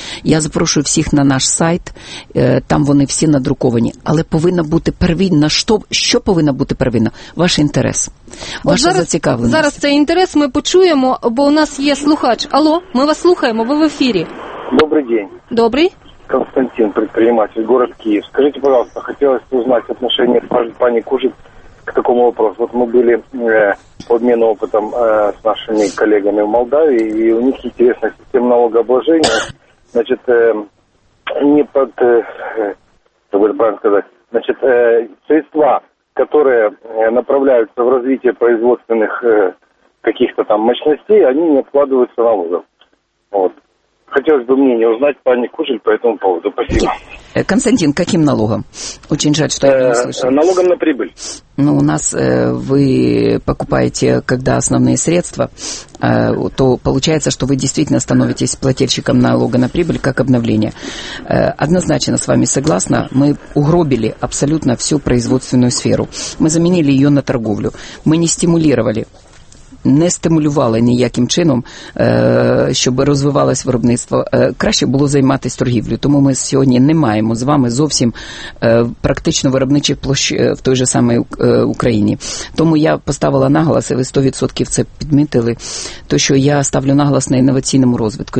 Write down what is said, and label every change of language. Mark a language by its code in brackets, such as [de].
[uk] Я запрошую всіх на наш сайт, там вони всі надруковані. Але повинна бути первинна. Що повинна бути первинна? Ваш інтерес. Ваша зацікавленість. Зараз цей інтерес ми почуємо, бо у нас є слухач. Алло, ми вас слухаємо, ви в ефірі. Добрий день. Добрий. [ru] Константин, предприниматель, город Київ. [uk] Скажіть, будь ласка, хотілося б узнати отношення пані Кужель [ru] к такому вопросу. [uk] От ми були по обміну опитом з нашими колегами в Молдаві, і у них інтересна система налогообложення. Значить, не під, щоб правильно сказати, значить, [ru] средства, которые направляются в развитие производственных каких-то там мощностей, они не откладываются налогом. Вот. Хотелось бы мнение узнать, пани Кужель, по этому поводу. Спасибо. Константин, каким налогом? Очень жаль, что я не слышал. Налогом на прибыль. Ну, у нас вы покупаете, когда основные средства, то получается, что вы действительно становитесь плательщиком налога на прибыль, как обновление. Однозначно с вами согласна, мы угробили абсолютно всю производственную сферу. Мы заменили ее на торговлю. Мы не стимулировали. [uk] Не стимулювали ніяким чином, щоб розвивалось виробництво. Краще було займатися торгівлею. Тому ми сьогодні не маємо з вами зовсім практично виробничих площ в той же самій Україні. Тому я поставила наголос, і ви 100% це підмітили, то що я ставлю наголос на інноваційному розвитку.